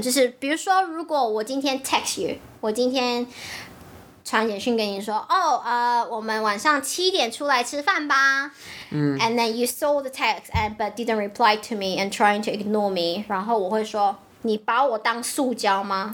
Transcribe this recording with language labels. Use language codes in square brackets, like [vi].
[zh] 就是比如说，如果我今天 [en] text you， [zh] 我今天传简讯跟你说，哦，我们晚上七点出来吃饭吧。 [en] And then you saw the text and but didn't reply to me and trying to ignore me. [zh] 然后我会说，你把我当塑胶吗？